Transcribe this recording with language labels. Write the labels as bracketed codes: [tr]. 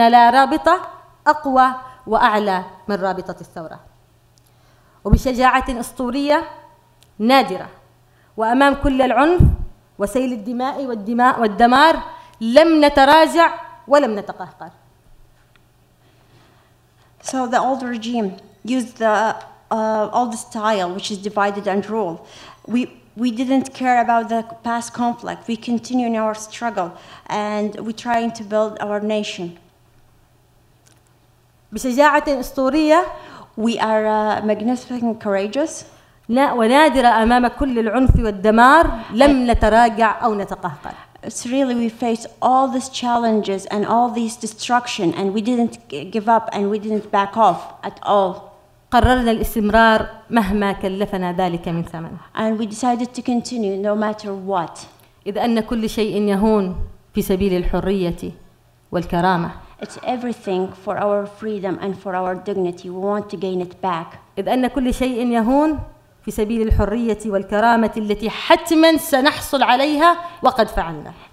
[ar] رابطة أقوى وأعلى من رابطة الثورة وبشجاعة أسطورية نادرة وأمام كل العنف وسيل الدماء والدمار لم نتراجع ولم نتقهقر. [en] So the old regime used the old style, which is divided and rule. We didn't care about the past conflict. We continue in our struggle, and we're trying to build our nation. [ar] بشجاعة أسطورية, [en] we are magnificent and courageous. [ar] ونادرة أمام كل العنف والدمار لم نتراجع أو نتقهقر. [en] It's really we faced all these challenges and all these destruction, and we didn't give up and we didn't back off at all. [ar] قررنا الاستمرار مهما كلفنا ذلك من ثمن. [en] And we decided to continue no matter what. [ar] إذ أن كل شيء يهون في سبيل الحرية والكرامة. [en] It's everything for our freedom and for our dignity. We want to gain it back. [ar] إذ أن كل شيء يهون في سبيل الحرية والكرامة التي حتما سنحصل عليها وقد فعلنا.